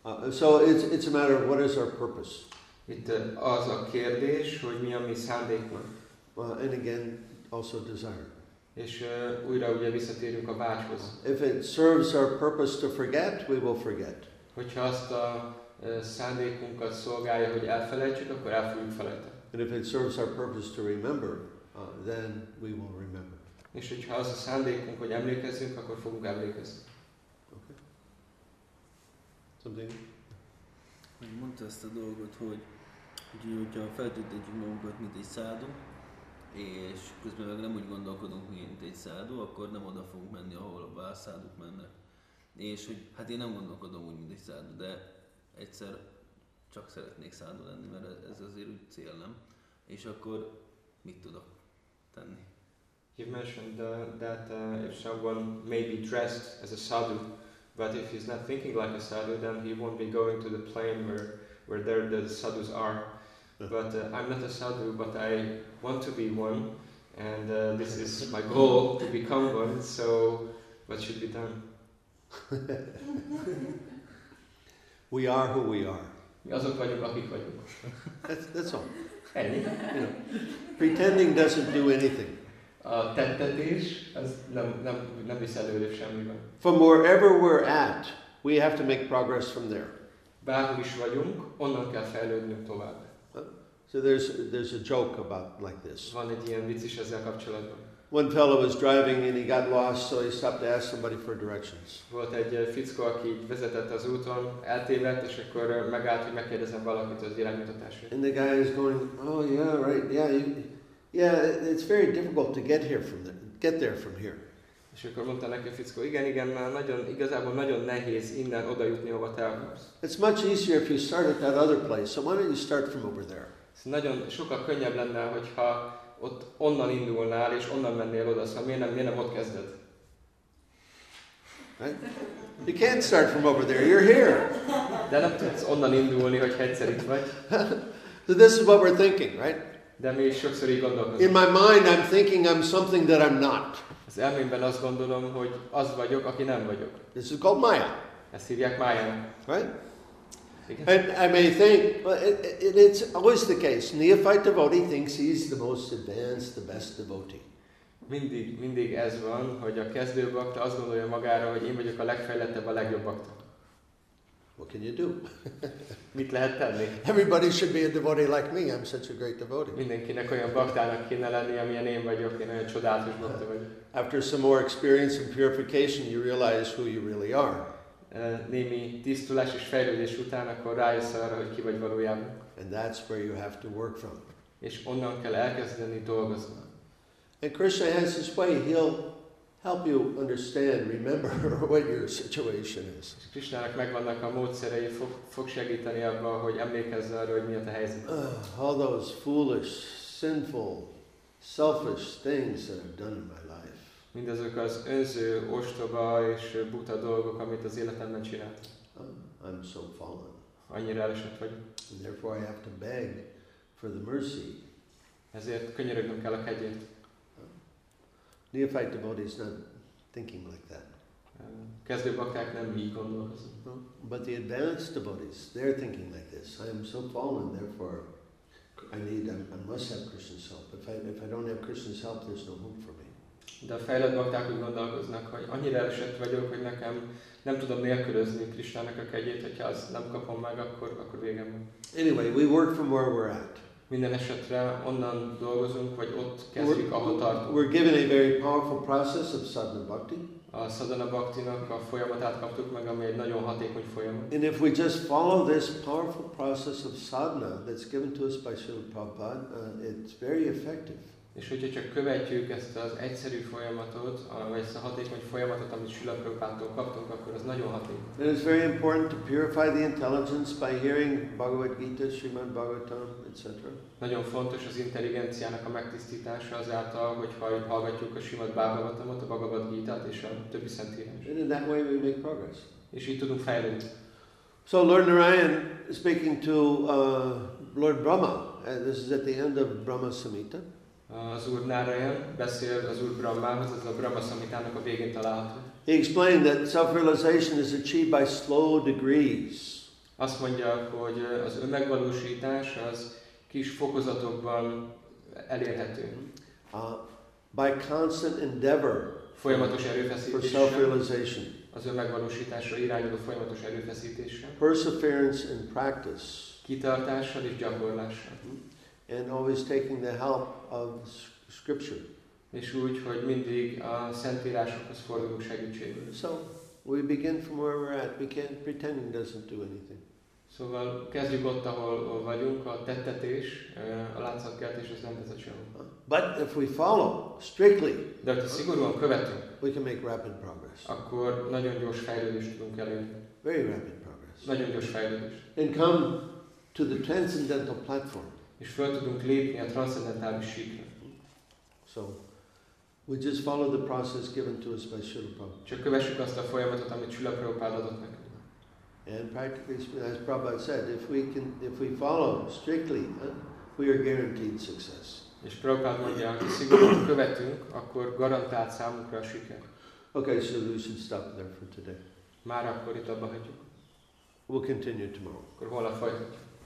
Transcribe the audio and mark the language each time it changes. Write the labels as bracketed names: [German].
[English] So it's a matter of what is our purpose. [Hungarian] Az a kérdés, hogy mi a mi szándékunk. [English] And again, also desire. [Hungarian] És újra ugye visszatérünk a vágyhoz. [English] If it serves our purpose to forget, we will forget. [Hungarian] Hogyha azt a szándékunkat szolgálja, hogy elfelejtsük, akkor el fogjuk felejteni. [English] And if it serves our purpose to remember, then we will remember. [Hungarian] És hogyha az a szándékunk, hogy emlékezzünk, akkor fogunk emlékezni. [English] Okay. Something? [Hungarian] Hogy mondta ezt a dolgot, hogyha feltüntetjük magunkat, mint egy szádó, és közben meg nem úgy gondolkodunk, mint egy szádó, akkor nem oda fogunk menni, ahol a szádók mennek. És hogy hát én nem gondolkodom úgy, mint egy szádó, de egyszer csak szeretnék szádó lenni, mert ez azért úgy cél, nem? És akkor mit tudok tenni? [English] You've mentioned that if someone may be dressed as a sadhu, but if he's not thinking like a sadhu, then he won't be going to the plane where there the sadhus are. But I'm not a sadhu, but I want to be one, and this is my goal, to become one, so what should be done? We are who we are. [Hungarian] Mi azok vagyunk, akik vagyunk. [English] That's all. [Hungarian] Ennyi. [English] Pretending doesn't do anything. [Hungarian] A tettetés, az nem visz előre semmiben. [English] From wherever we're at, we have to make progress from there. [Hungarian] Bárhol is vagyunk, onnan kell fejlődnünk tovább. [English] So there's a joke about like this. [Hungarian] Van egy ilyen vicc is ezzel kapcsolatban. [English] One fellow was driving and he got lost, so he stopped to ask somebody for directions. [Hungarian] Volt egy fickó, aki vezetett az úton, eltévedt, és akkor megállt, hogy megkérdezem valakit az iránymutatásért. [English] And the guy is going, oh yeah, right, yeah, it's very difficult to get there from here. [Hungarian] És akkor mondta neki a fickó, igen, már igazából nagyon nehéz innen oda jutni, hova te akarsz. [English] It's much easier if you start at that other place, so why don't you start from over there? [Hungarian] Nagyon sokkal könnyebb lenne, hogyha ott onnan indulnál és onnan mennél oda, szóval miért nem ott kezded? [English] You can't start from over there, you're here. [Hungarian] De nem tudsz onnan indulni, hogyha egyszer itt vagy. [English] So this is what we're thinking, right? [Hungarian] De mi sokszor így gondolkozunk. [English] In my mind I'm thinking I'm something that I'm not. [Hungarian] Az elmémben azt gondolom, hogy az vagyok, aki nem vagyok. [English] This is called Maya. [Hungarian] Ezt hívják Maya-nak. [English] Right? And I may think, but it's always the case. Neophyte devotee thinks he's the most advanced, the best devotee. [Hungarian] Mindig ez van, hogy a kezdő bhakta azt gondolja magára, hogy én vagyok a legfejlettebb, a legjobb bhakta. [English] What can you do? [Hungarian] Mit lehet tenni? [English] Everybody should be a devotee like me. I'm such a great devotee. [Hungarian] Mindenkinek olyan baktának kéne lenni, amilyen én vagyok. Én olyan csodálatos bakta vagyok. [English] After some more experience and purification, you realize who you really are. [Hungarian] Némi tisztulás és fejlődés után, akkor rájössz arra, hogy ki vagy valójában. [English] And that's where you have to work from. [Hungarian] És onnan kell elkezdeni dolgozni. [English] And Krishna has his way. He'll help you understand, remember what your situation is. [Hungarian] Krishnának megvannak a módszerei, fog segíteni abban, hogy emlékezz arra, hogy mi a te helyzet. [English] All those foolish, sinful, selfish things that I've done in my life. [Hungarian] Mindazok az önző, ostoba és buta dolgok, amit az életemben csináltam. [English] I'm so fallen. [Hungarian] Annyira elesett vagyok. [English] And therefore I have to beg for the mercy. [Hungarian] Ezért könyörögnöm kell a kegyért. [English] Neophyte devotees not thinking like that. [Hungarian] Kezdő bakták nem így gondolkoznak. [English] But the advanced devotees, they're thinking like this. I am so fallen, therefore I must have Krishna's help. If I don't have Krishna's help, there's no hope for me. [Hungarian] De a fejlett bakták úgy gondolkoznak, hogy annyira elesett vagyok, hogy nekem nem tudom nélkülözni Krisnának a kegyét, hogyha azt nem kapom meg, akkor végem van. [English] Anyway, we work from where we're at. [Hungarian] Minden esetre onnan dolgozunk, vagy ott kezdjük, ahol tartunk. [English] We're given a very powerful process of sadhana bhakti. [Hungarian] A sadhana bhaktinak a folyamatát kaptuk meg, ami egy nagyon hatékony folyamat. [English] And if we just follow this powerful process of sadhana that's given to us by Srila Prabhupada, it's very effective. [Hungarian] És hogyha csak követjük ezt az egyszerű folyamatot, vagy ezt a hatékony folyamatot, amit Srila Prabhupádtól kaptunk, akkor az nagyon hatékony. [English] It is very important to purify the intelligence by hearing Bhagavad Gita, Srimad Bhagavatam, etc. [Hungarian] Nagyon fontos az intelligenciának a megtisztítása azáltal, hogyha hallgatjuk a Srimad Bhagavatamot, a Bhagavad Gita-t és a többi szentírás. [English] And in that way we make progress. [Hungarian] És így tudunk fejlődni. [English] So Lord Narayan speaking to Lord Brahma, and this is at the end of Brahma Samhita. [Hungarian] Az Úr Narayan beszél az Úr Brahmához, ez a Brahma Samhitának a végén található. [English] He explained that self-realization is achieved by slow degrees. [Hungarian] Azt mondja, hogy az önmegvalósítás az kis fokozatokban elérhető. [English] By constant endeavor. [Hungarian] Folyamatos erőfeszítéssel. [English] For self-realization. [Hungarian] Az önmegvalósításra irányuló folyamatos erőfeszítéssel. [English] Perseverance and practice. [Hungarian] Kitartással és gyakorlással. [English] And always taking the help of scripture. [Hungarian] És úgy, hogy mindig a szentírásokhoz fordulunk segítségül. [English] So we begin from where we're at. We can't pretend it doesn't do anything. [Hungarian] Szóval kezdjük ott, ahol vagyunk, a tettetés, a látszatkeltés, az nem vezet sehova. [English] But if we follow strictly, [Hungarian] de ha szigorúan követünk, [English] we can make rapid progress. [Hungarian] Akkor nagyon gyors fejlődést tudunk elérni. [English] Very rapid progress. [Hungarian] Nagyon gyors fejlődés. [English] And come to the transcendental platform. [Hungarian] És föl tudunk lépni a transzendentális síkra. [English] So, we just follow the process given to us by Srila Prabhupada. [Hungarian] Csak kövessük azt a folyamatot, amit Srila Prabhupada adott nekünk. [English] And practically, as Prabhupada said, if we follow strictly, we are guaranteed success. [Hungarian] És Prabhupada mondja, hogy szigorúan követünk, akkor garantált számunkra a siker. [English] Okay, so we should stop there for today. [Hungarian] Már akkor itt abba hagyjuk. [English] We'll continue tomorrow. [Hungarian] Akkor holnap folytatjuk.